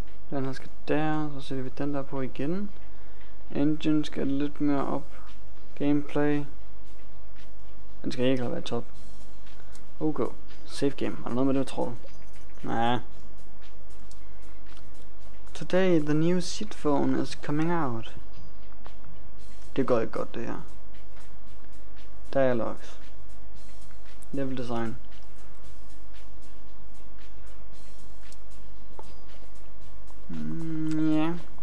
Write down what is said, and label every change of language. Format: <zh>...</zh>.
<da>Den her skal der, så sætter vi den der på igen. Engine skal lidt mere op. Gameplay. Den skal ikke være top. Okay.</da> <en>Safe game.</en> <da>Er der noget med det, jeg tror? Næh.</da> <en>Today the new Seed phone is coming out.</en> <da>Det går ikke godt, det her.</da> <en>Dialogues. Level design.</en> <da>Ja.</da> <en>Yeah.</en>